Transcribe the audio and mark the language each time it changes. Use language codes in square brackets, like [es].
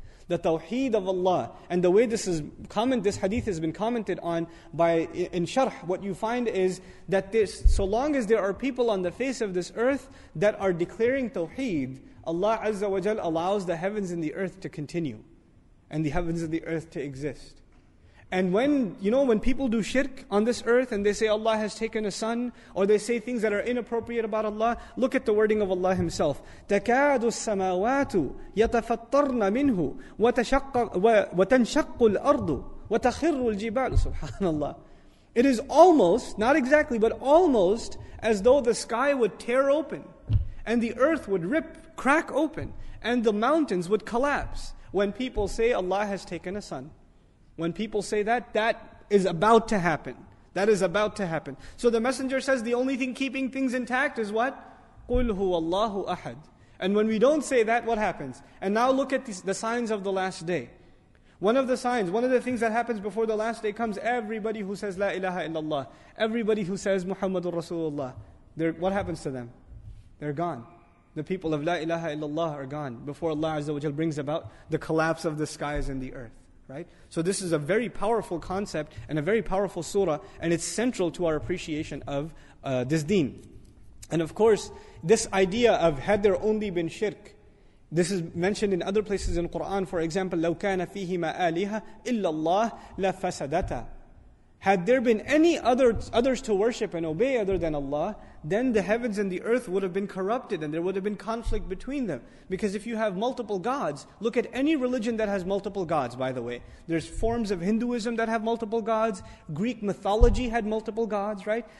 [en] The tawheed of Allah. And the way this hadith has been commented on by in sharh, what you find is that this, so long as there are people on the face of this earth that are declaring tawheed, Allah Azza wa Jal allows the heavens and the earth to continue and the heavens and the earth to exist. And when, you know, when people do shirk on this earth and they say Allah has taken a son, or they say things that are inappropriate about Allah, look at the wording of Allah Himself. [ar] تَكَادُ السَّمَاوَاتُ يَتَفَطَّرْنَ مِنْهُ وَتَنْشَقُّ الْأَرْضُ وَتَخِرُّ الْجِبَالُ SubhanAllah. [en] It is almost, not exactly, but almost as though the sky would tear open and the earth would rip, crack open, and the mountains would collapse when people say Allah has taken a son. When people say that, that is about to happen. That is about to happen. So the Messenger says the only thing keeping things intact is what? [ar] قُلْ هُوَ اللَّهُ أَحَدٌ. [en] And when we don't say that, what happens? And now look at the signs of the last day. One of the signs, one of the things that happens before the last day comes, everybody who says La ilaha illallah, everybody who says Muhammadur Rasulullah, what happens to them? They're gone. The people of La ilaha illallah are gone before Allah Azza wa Jal brings about the collapse of the skies and the earth. right? So this is a very powerful concept and a very powerful surah, and it's central to our appreciation of this deen. And of course, this idea of had there only been shirk, this is mentioned in other places in Quran. For example, [ar] لَوْ كَانَ فِيهِمَا آلِهَا إِلَّا اللَّهِ لَفَسَدَتَا. [en] Had there been any others to worship and obey other than Allah, then the heavens and the earth would have been corrupted and there would have been conflict between them. Because if you have multiple gods, look at any religion that has multiple gods, by the way. There's forms of Hinduism that have multiple gods. Greek mythology had multiple gods, right?